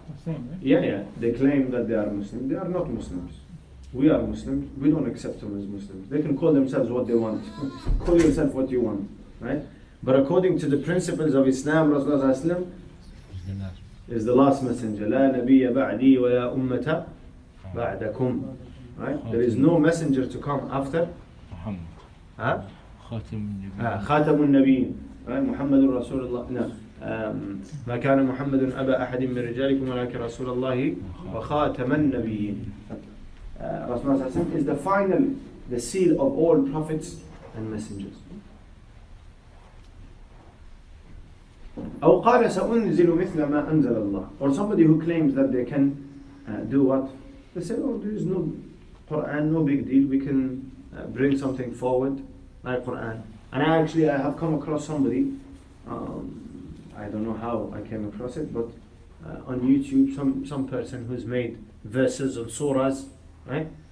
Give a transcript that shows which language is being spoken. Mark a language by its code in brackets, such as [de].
[en] The same, right? Yeah, yeah. They claim that they are Muslim. They are not Muslims. We are Muslims. We don't accept them as Muslims. They can call themselves what they want. Call yourself what you want. Right? But according to the principles of Islam, Rasulullah Islam is the last messenger. [ar] لا نبي بعدي ولا أمة بعدكم. [en] Right? There is no messenger to come after Muhammad. [ar] خاتم النبيين. [en] Right? [ar] محمد رسول الله. [en] No. [ar] ما كان محمد أبا أحد من رجالكم ولكن رسول الله وخاتم النبيين. [en] Rasulullah Islam is the final, the seal of all prophets and messengers. [ar] أو قال سأنزل مثل ما أنزل الله. [en] Or somebody who claims that they can do what? They say, oh, there is no Quran, no big deal. We can bring something forward like Quran. And I have come across somebody. I don't know how I came across it, but on YouTube, some person who's made verses and surahs, right?